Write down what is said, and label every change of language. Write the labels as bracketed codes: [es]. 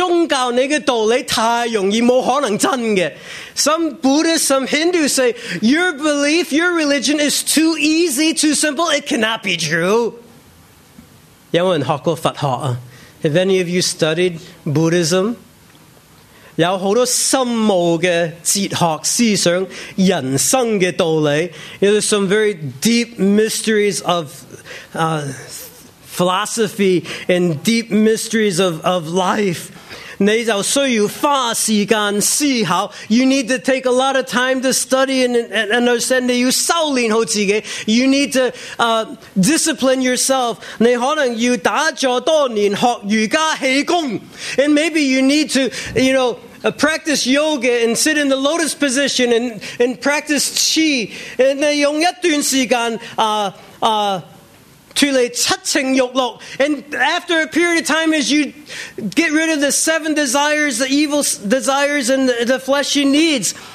[zh] 有些佛教徒，有些印度教徒说，你的宗教，你的道理太容易，没可能真的。 [en] Some Buddhists, some Hindus say, your belief, your religion is too easy, too simple. It cannot be true. [zh] 有人学过佛学啊。 [en] Have any of you studied Buddhism? [zh] 有很多深奥的哲学思想，人生的道理。 [en] There's some very deep mysteries of philosophy and deep mysteries of life. [zh] 你就需要花时间思考。 [en] You need to take a lot of time to study and understand. [zh] 你要修炼好自己。 [en] You need to discipline yourself. [zh] 你可能要打坐多年，学瑜伽气功。 [en] And maybe you need to, you know, practice yoga and sit in the lotus position and practice qi. [zh] And 你用一段时间 [en] And after a period of time, as you get rid of the seven desires, the evil desires, and the flesh he needs,